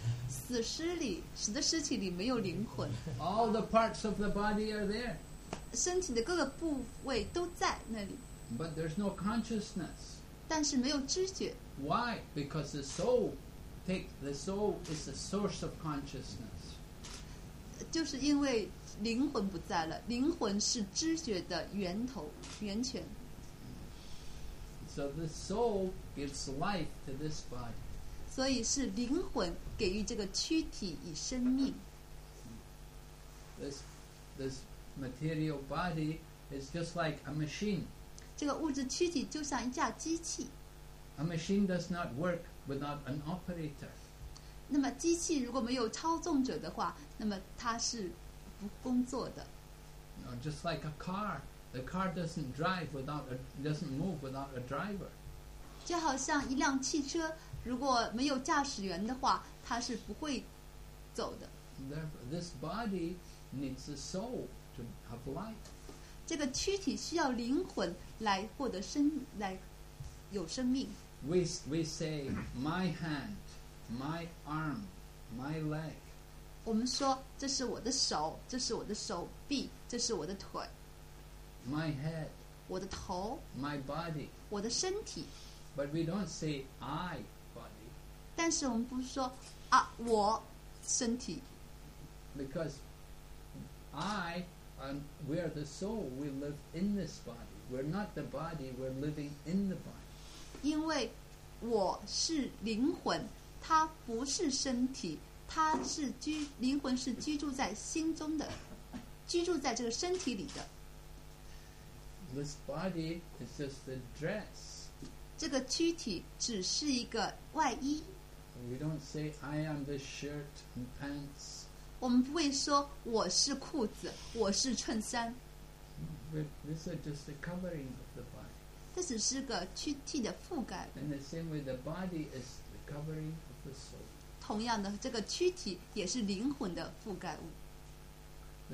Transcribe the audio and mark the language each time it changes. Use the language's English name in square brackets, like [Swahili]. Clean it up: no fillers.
[Chinese] 死尸里，死的尸体里没有灵魂。 [English] All the parts of the body are there. [Chinese] 身体的各个部位都在那里。 [English] But there's no consciousness. [Chinese] 但是没有知觉。 [English] Why? Because the soul. Take the soul is the source of consciousness. [Chinese] 就是因为灵魂不在了，灵魂是知觉的源头源泉。 [English] So the soul gives life to this body. [Chinese] 所以是灵魂给予这个躯体以生命。 [English] This material body is just like a machine. [Chinese] 这个物质躯体就像一架机器。 [English] A machine does not work. Without an operator, [Chinese] 那么机器如果没有操纵者的话，那么它是不工作的。 [English] No, just like a car, the car doesn't drive without doesn't move without a driver. [Chinese] 就好像一辆汽车，如果没有驾驶员的话，它是不会走的。 [English] Therefore, this body needs a soul to have life. [Chinese] 这个躯体需要灵魂来获得生，来有生命。 [English] We say my hand, my arm, my leg. [Chinese] 我们说这是我的手，这是我的手臂，这是我的腿。 [English] My head. [Chinese] 我的头。 [English] My body. [Chinese] 我的身体。 [English] But we don't say I body. [Chinese] 但是我们不说啊我身体。 [English] Because I and we are the soul. We live in this body. We're not the body. We're living in the body. [Chinese] 因为我是灵魂，它不是身体，它是居灵魂是居住在心中的，居住在这个身体里的。 [English] This body is just a dress. [Chinese] 这个躯体只是一个外衣。 [English] We don't say I am the shirt and pants. [Chinese] 我们不会说我是裤子，我是衬衫。 [English] But this is just a covering of the body. [Chinese] 这只是个躯体的覆盖。 [English] In the same way, the body is the covering of the soul. [Chinese] 同样的，这个躯体也是灵魂的覆盖物。